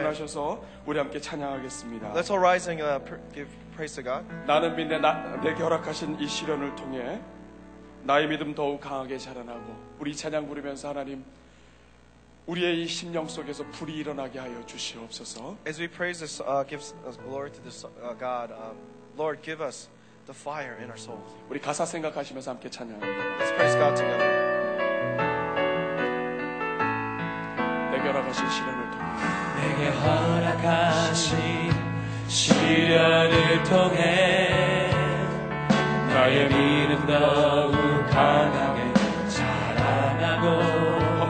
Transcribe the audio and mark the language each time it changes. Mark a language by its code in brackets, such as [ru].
[ko] 일어나셔서 우리 함께 찬양하겠습니다. [en] Let's all rise and give praise to God. [ko] 나는 믿네 내게 허락하신 이 시련을 통해 나의 믿음 더욱 강하게 자라나고 우리 찬양 부르면서 하나님 우리의 이 심령 속에서 불이 일어나게 하여 주시옵소서. [en] As we praise this, give glory to this God, Lord, give us the fire in our souls. [ko] 우리 가사 생각하시면서 함께 찬양합니다. [en] Let's praise God together. [ko] 내게 허락하신 시련을 통해. 내게 허락하신 시련을 통해 나의 믿음 더욱 강하게 자라나고.